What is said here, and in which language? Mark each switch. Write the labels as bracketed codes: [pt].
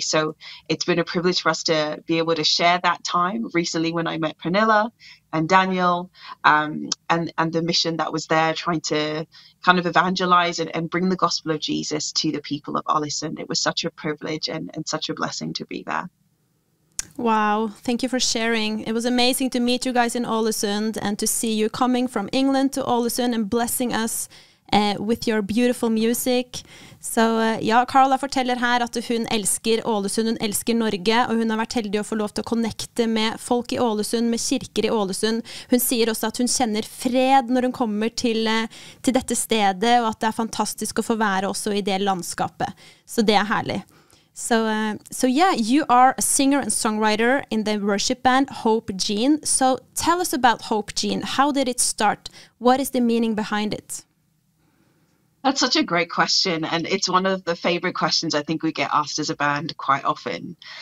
[en] So it's been a privilege for us to be able to share that time recently when I met Pernilla and Daniel and the mission that was there trying to kind of evangelize and bring the gospel of Jesus to the people of Ålesund. It was such a privilege and such a blessing to be there. Wow, thank you for sharing. It was amazing to meet you guys in Ålesund and to see you coming from England to Ålesund and blessing us with your beautiful music. [no] So, ja, Carla forteller her at hun elsker Ålesund, hun elsker Norge, og hun har vært heldig å få lov til å connecte med folk i Ålesund, med kirker i Ålesund. Hun sier også at hun kjenner fred når hun kommer til dette stedet, og at det fantastisk å få være også i det landskapet. Så det herlig. [en] So yeah, you are a singer and songwriter in the worship band Hope Jean. So tell us about Hope Jean. How did it start? What is the meaning behind it? That's such a great question. And it's one of the favorite questions I think we get asked as a band quite often.